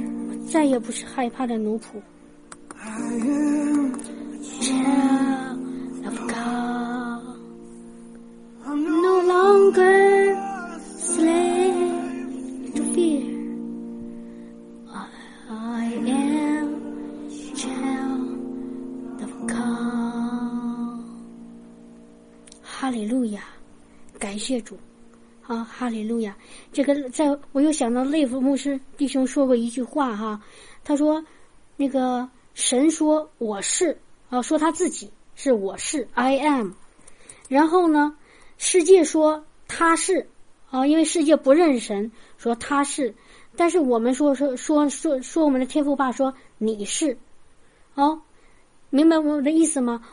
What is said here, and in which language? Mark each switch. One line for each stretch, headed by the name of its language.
Chinese: 我再也不是害怕的奴仆。
English: Child of God, no longer slave to fear. I am child of God.
Chinese: 哈利路亚，感谢主啊！哈利路亚，这个在我又想到内夫牧师弟兄说过一句话哈，他说那个。神说我是啊，说他自己是我是
English: I am，
Chinese: 然后呢世界说他是啊，因为世界不认神，说他是，但是我们说我们的天父爸说你是哦，明白我的意思吗？